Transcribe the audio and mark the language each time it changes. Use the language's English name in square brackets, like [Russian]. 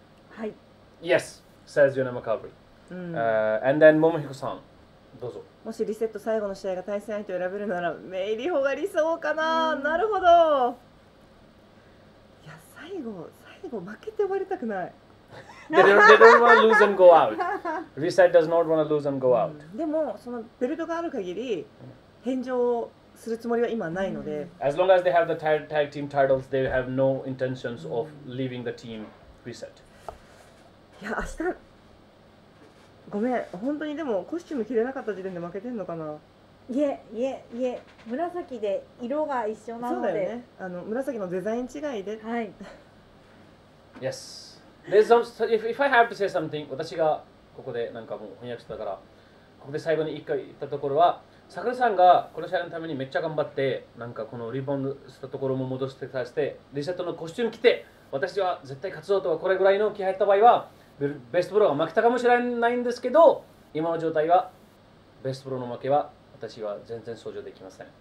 [Japanese] はい。 [English] Yes, says 米山かおり。And then [Japanese] 桃彦さん、どうぞ。もしリセット最後の試合が対戦相手を選べるなら、メイリホが理想かな。なるほど。いや、最後負けて終わりたくない。 [English] They don't want to lose and go out. Reset does not want to lose and go out. [Japanese] でもそのベルトがある限り返上するつもりは今ないので。 [English] As long as they have the tag team titles, they have no intentions of leaving the team. Reset. [Japanese] いや明日、ごめん、本当にでもコスチューム着れなかった時点で負けてんのかな。いえいえいえ、紫で色が一緒なので。そうだよね。あの紫のデザイン違いで。はい。 [English] Yes. There's some, if I have to say something, [Japanese] 私がここでなんかもう翻訳してたから、ここで最後に一回言ったところは、さくらさんがこの試合のためにめっちゃ頑張って、なんかこのリボンしたところも戻してさせて、リセットのコスチューム着て、私は絶対勝つぞとか、これぐらいの気配った場合は、ベストブローが負けたかもしれないんですけど、今の状態は、ベストブローの負けは私は全然想像できません。